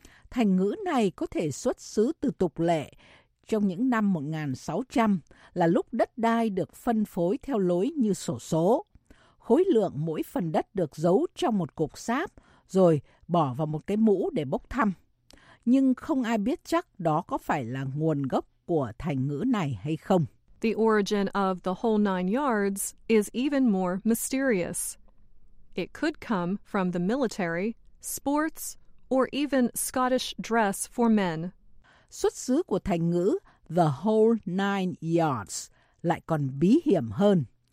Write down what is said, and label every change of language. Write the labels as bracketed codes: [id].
[vi] Thành ngữ này có thể xuất xứ từ tục lệ trong những năm 1600, là lúc đất đai được phân phối theo lối như xổ số. Khối lượng mỗi phần đất được giấu trong một cục sáp, rồi bỏ vào một cái mũ để bốc thăm. Nhưng không ai biết chắc đó có phải là nguồn gốc của thành ngữ này hay không. [en] The origin of the whole nine yards is even more mysterious. It could come from the military, sports, or even Scottish dress for men. [vi] Xuất xứ của thành ngữ [en] the whole nine yards [vi] lại còn bí hiểm hơn.